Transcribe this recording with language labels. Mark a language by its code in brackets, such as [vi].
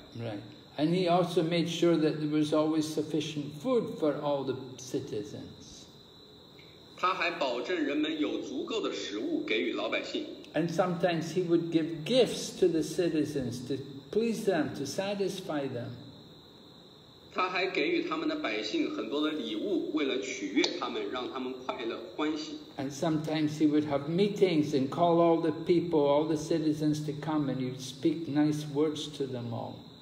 [en] Right, and he also made sure that there was always sufficient food for all the citizens. [zh] 他还保证人们有足够的食物给予老百姓. [en] And sometimes he would give gifts to the citizens to please them, to satisfy them. And sometimes he would have meetings and call all the people, all the citizens to come, and he'd speak nice words to them all.